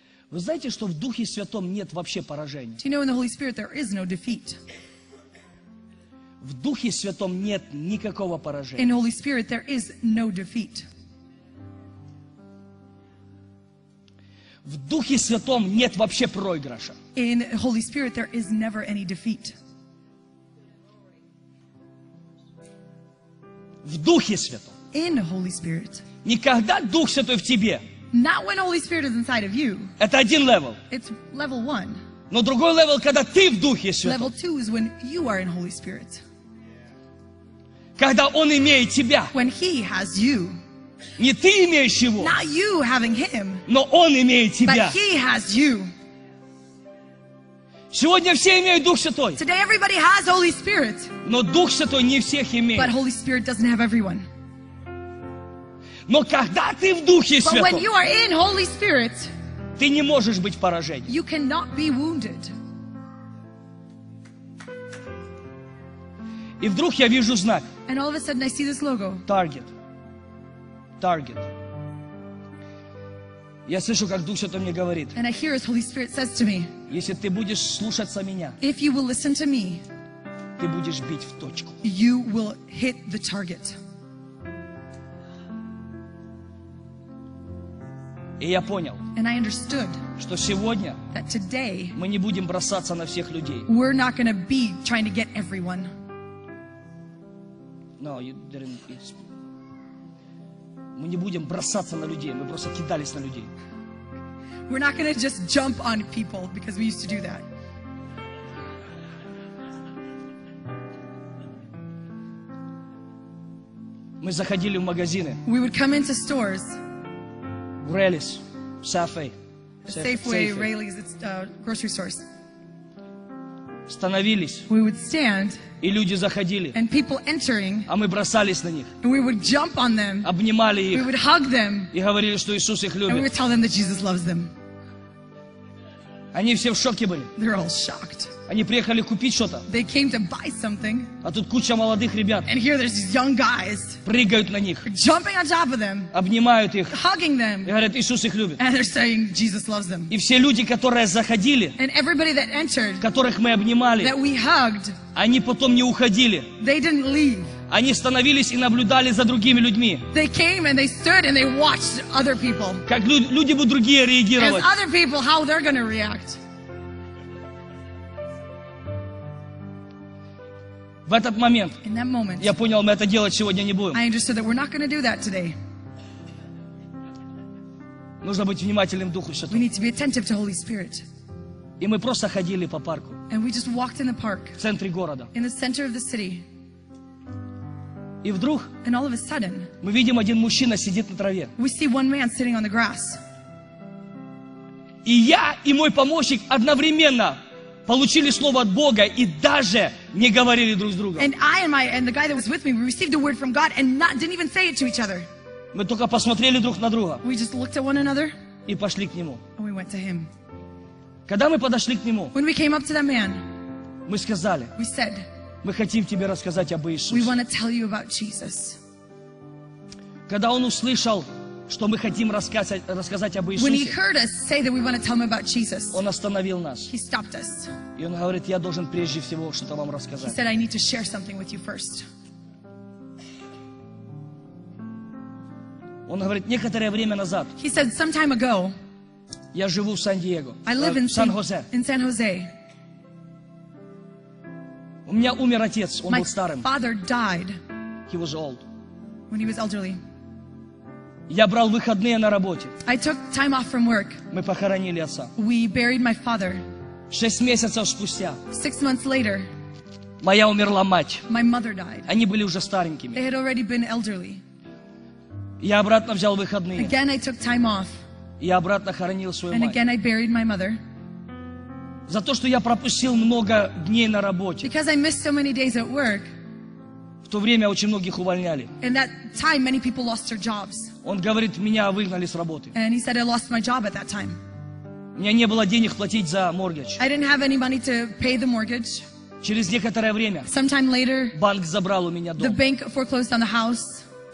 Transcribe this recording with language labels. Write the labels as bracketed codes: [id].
[ru] Вы знаете, что в Духе Святом нет вообще поражения? [en] Do you know in the Holy Spirit there is no defeat? [ru] В Духе Святом нет никакого поражения. [en] In the Holy Spirit there is no defeat. [ru] В Духе Святом нет вообще проигрыша. [en] In the Holy Spirit there is never any defeat. [ru] В Духе Святом. [en] In the Holy Spirit. [ru] Никогда Дух Святой в тебе. [en] Not when Holy Spirit is inside of you. [ru] Это один level. [en] It's level one. [ru] Но другой level, когда ты в Духе Святом. [en] Level two is when you are in Holy Spirit. [ru] Когда Он имеет тебя. [en] When He has you. [ru] Не ты имеешь Его. [en] Not you having Him. [ru] Но Он имеет тебя. [en] But He has you. [ru] Сегодня все имеют Дух Святой. [en] Today everybody has Holy Spirit. [ru] Но Дух Святой не всех имеет. [en] But Holy Spirit doesn't have everyone. [ru] Но когда ты в Духе Святом, [en] but when you are in Holy Spirit, [ru] ты не можешь быть поражением. [en] You cannot be wounded. [ru] И вдруг я вижу знак. [en] And all of a sudden I see this logo. Target. Target. [ru] Я слышу, как Дух Святой мне говорит. [en] And I hear as Holy Spirit says to me. [ru] Если ты будешь слушаться меня. [en] If you will listen to me. [ru] Ты будешь бить в точку. [en] You will hit the target. [ru] И я понял. [en] And I understood. [ru] Что сегодня. [en] That today. [ru] Мы не будем бросаться на всех людей. [en] We're not going to be trying to get everyone. No, you didn't. It's... [ru] Мы не будем бросаться на людей, мы просто кидались на людей. [en] We're not going to just jump on people because we used to do that. [ru] Мы заходили в магазины. [en] We would come into stores. Raley's, Safeway. Safeway, Raley's, it's grocery stores. [ru] становились. [en] We would stand. [ru] И люди заходили. [en] And people entering. [ru] А мы бросались на них. [en] And we would jump on them. [ru] Обнимали их. [en] We would hug them. [ru] И говорили, что Иисус их любит. [en] And we would tell them that Jesus loves them. [ru] Они все в шоке были. [en] They're all shocked. [ru] Они приехали купить что-то. [en] They came to buy something. [ru] А тут куча молодых ребят. [en] And here there's these young guys. [ru] Прыгают на них. [en] Jumping on top of them. [ru] Обнимают их. [en] Hugging them. [ru] И говорят, Иисус их любит. [en] And they're saying Jesus loves them. [ru] И все люди, которые заходили. [en] And everybody that entered. [ru] Которых мы обнимали. [en] That we hugged. [ru] Они потом не уходили. [en] They didn't leave. [ru] Они становились и наблюдали за другими людьми. [en] They came and they stood and they watched other people. [ru] Как люди будут другие реагировать. [en] As other people, how they're going to react. [ru] В этот момент [en] moment, [ru] я понял, мы это делать сегодня не будем. [en] I understood that we're not going to do that today. [ru] Нужно быть внимательным Духу Святому. [en] We need to be attentive to Holy Spirit. [ru] И мы просто ходили по парку. [en] And we just walked in the park. [ru] В центре города. [en] In the center of the city. [ru] И вдруг [en] and all of a sudden, [ru] мы видим один мужчина сидит на траве. [en] We see one man sitting on the grass. [ru] И я и мой помощник одновременно получили слово от Бога и даже не говорили друг с другом. [en] And I and my and the guy that was with me, we received a word from God and not didn't even say it to each other. [ru] Мы только посмотрели друг на друга. [en] We just looked at one another. [ru] И пошли к нему. [en] And we went to him. [ru] Когда мы подошли к нему, [en] when we came up to that man, [ru] мы сказали, [en] we said, [ru] мы хотим тебе рассказать об Иисусе. [en] We want to tell you about Jesus. [ru] Когда он услышал, что мы хотим рассказать об Иисусе, [en] when he heard us say that we want to tell him about Jesus, [ru] он остановил нас. [en] He stopped us. [ru] И он говорит, я должен прежде всего что-то вам рассказать. [en] He said, I need to share something with you first. [ru] Он говорит, некоторое время назад, [en] he said, some time ago, [ru] я живу в Сан-Диего. [en] I live in [ru] Сан-Хосе. [en] In Сан-Хосе. [ru] У меня умер отец. Он [en] My [ru] был старым. [en] Father died. He was old. When he was elderly. [ru] Я брал выходные на работе. [en] I took time off from work. [ru] Мы похоронили отца. [en] We buried my father. [ru] 6 месяцев спустя. [en] 6 months later. [ru] Моя умерла мать. [en] My mother died. [ru] Они были уже старенькими. [en] They had already been elderly. [ru] Я обратно взял выходные. [en] Again I took time off. [ru] Я обратно хоронил свою мать. [en] And again I buried my mother. [ru] За то, что я пропустил много дней на работе. [en] Because I missed so many days at work. [ru] В то время очень многих увольняли. [en] In that time many people lost their jobs. [ru] Он говорит, меня выгнали с работы. [en] And he said I lost my job at that time. [ru] У меня не было денег платить за моргидж. [en] I didn't have any money to pay the mortgage. [ru] Через некоторое время. [en] Sometime later. [ru] Банк забрал у меня дом. [en] The bank foreclosed on the house.